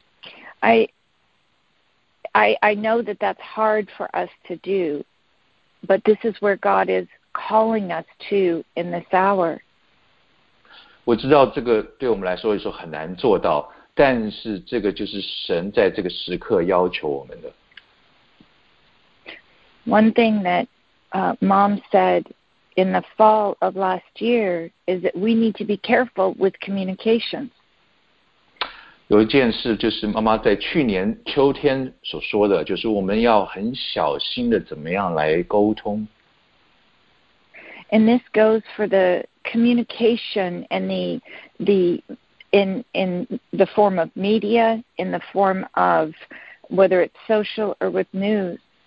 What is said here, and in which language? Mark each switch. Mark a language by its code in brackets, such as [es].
[zh] 必须把我们脑中所有的这些知识呢，都放在这个祷告的这个橱柜的外面。 [en] I know that that's hard for us to do, but this is where God is calling us to in this hour. [zh] 我知道这个对我们来说有时候很难做到，但是这个就是神在这个时刻要求我们的。 [en] One thing that Mom said in the fall of last year is that we need to be careful with communications. [zh] 有一件事就是妈妈在去年秋天所说的，就是我们要很小心的怎么样来沟通。 [en] And this goes for the communication and the the form of media, in the form of whether it's social or with news.